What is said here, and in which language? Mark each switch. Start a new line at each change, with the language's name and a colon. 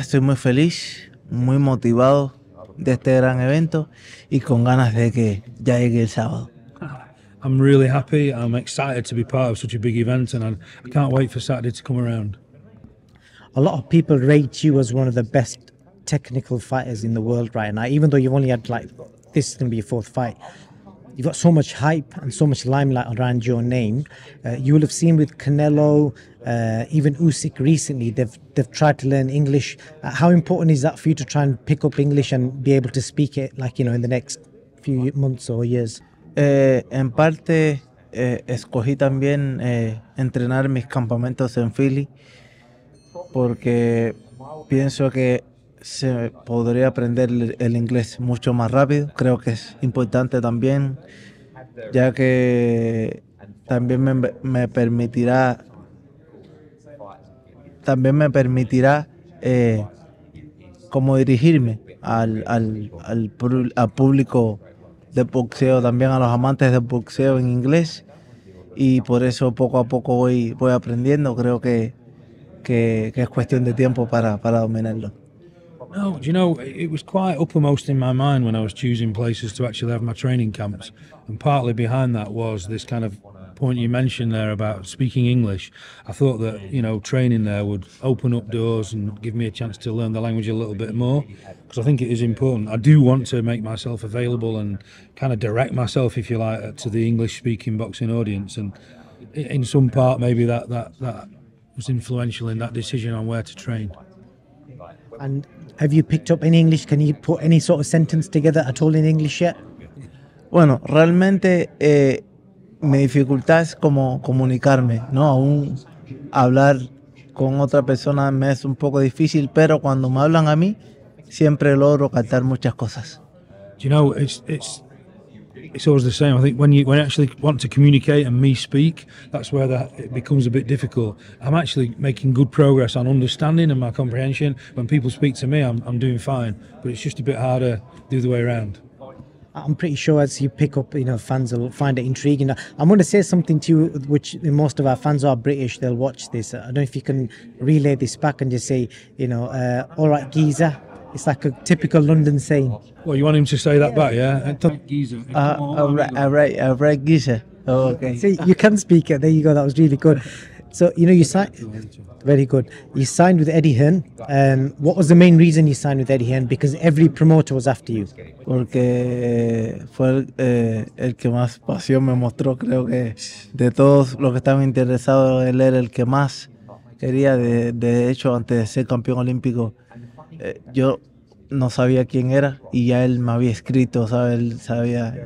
Spanish: Estoy muy feliz, muy motivado de este gran evento y con ganas de que ya llegue el sábado.
English: I'm really happy. I'm excited to be part of such a big event, and I can't wait for Saturday to come around. A lot of people rate you as one of the best technical fighters in the world right now, even though you've only had, like, this is going to be your fourth fight. You've got so much hype and so much limelight around your name. You will have seen with Canelo, even Usyk recently, they've tried to learn English. How important is that for you to try and pick up English and be able to speak it, like, you know, in the next few months or years?
Spanish: En parte, escogí también entrenar mis campamentos en Philly porque pienso que se podría aprender el inglés mucho más rápido. Creo que es importante también, ya que también me permitirá cómo dirigirme al público de boxeo, también a los amantes de boxeo en inglés, y por eso poco a poco voy aprendiendo. Creo que es cuestión de tiempo para dominarlo.
English: No, you know, it was quite uppermost in my mind when I was choosing places to actually have my training camps, and partly behind that was this kind of point you mentioned there about speaking English. I thought that, you know, training there would open up doors and give me a chance to learn the language a little bit more, because I think it is important. I do want to make myself available and kind of direct myself, if you like, to the English speaking boxing audience, and in some part maybe that was influential in that decision on where to train. And have you picked up any English? Can you put any sort of sentence together at all in English yet?
Spanish: Bueno, realmente mi dificultad es como comunicarme, ¿no? Aún hablar con otra persona me es un poco difícil, pero cuando me hablan a mí, siempre logro captar muchas cosas.
English: You know, it's always the same. I think when you actually want to communicate and me speak, that's where it becomes a bit difficult. I'm actually making good progress on understanding and my comprehension. When people speak to me, I'm doing fine, but it's just a bit harder the other way around. I'm pretty sure as you pick up, you know, fans will find it intriguing. I'm going to say something to you, which most of our fans are British, they'll watch this. I don't know if you can relay this back and just say, you know, all right, geezer. It's like a typical London saying. Well, you want him to say that back, yeah? All right, geezer. Oh, okay. See, you can speak it. There you go. That was really good. So, you know, you signed... Very good. You signed with Eddie Hearn. What was the main reason you signed with Eddie Hearn? Because every promoter was after you.
Spanish: Porque fue el que más pasión me mostró. Creo que de todos los que estaban interesados, él era el que más quería. De hecho, antes de ser campeón olímpico, yo no sabía quién era y ya él me había escrito, ¿sabes? Él sabía.